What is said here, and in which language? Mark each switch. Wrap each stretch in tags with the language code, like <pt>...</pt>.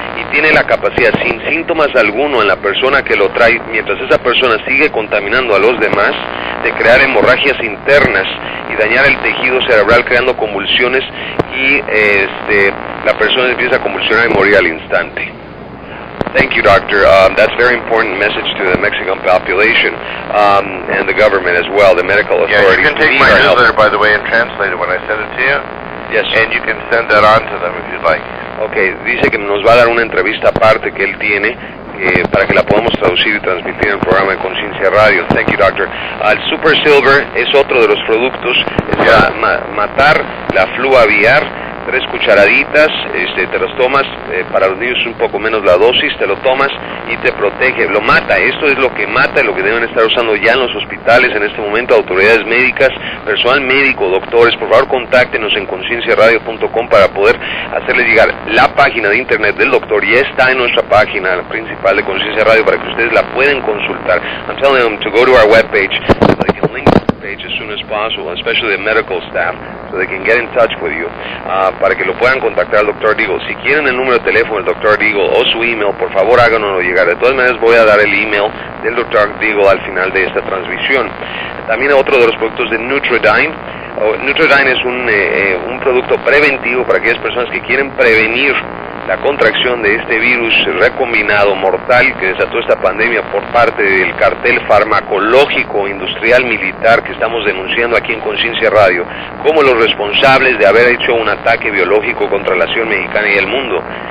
<es>y tiene la capacidad, sin síntomas alguno en la persona que lo trae, mientras esa persona sigue contaminando a los demás, de crear hemorragias internas y dañar el tejido cerebral creando convulsiones y la persona empieza a convulsionar y morir al instante.</es> <en>Thank you, doctor. That's a very important message to the Mexican population and the government as well, the medical authorities. Yeah, you can take my newsletter, by the way, and translate it when I send it to you. Yes, sir. And you can send that on to them if you'd like.</en> <es>Okay, dice que nos va a dar una entrevista aparte que él tiene para que la podamos traducir y transmitir en el programa de Conciencia Radio.</es> <en>Thank you, doctor.</en> <es>El Super Silver es otro de los productos. Es</es> <en>yeah.</en> <es>Matar la flu aviar. 3 cucharaditas, te los tomas, para los niños un poco menos la dosis, te lo tomas y te protege, lo mata. Esto es lo que mata, lo que deben estar usando ya en los hospitales en este momento, autoridades médicas, personal médico, doctores. Por favor, contáctenos en concienciaradio.com para poder hacerles llegar la página de internet del doctor. Ya está en nuestra página principal de Conciencia Radio para que ustedes la pueden consultar.</es> <en>I'm telling them to go to our webpage so they can link the page as soon as possible, especially the medical staff, so they can get in touch with you.</en> <es>Para que lo puedan contactar al Dr. Deagle. Si quieren el número de teléfono del Dr. Deagle o su email, por favor háganoslo llegar. De todas maneras voy a dar el email del Dr. Deagle al final de esta transmisión. También otro de los productos de Nutridyne. Nutridyne es un producto preventivo para aquellas personas que quieren prevenir la contracción de este virus recombinado mortal que desató esta pandemia por parte del cartel farmacológico industrial militar que estamos denunciando aquí en Conciencia Radio como los responsables de haber hecho un ataque biológico contra la nación mexicana y el mundo.</es>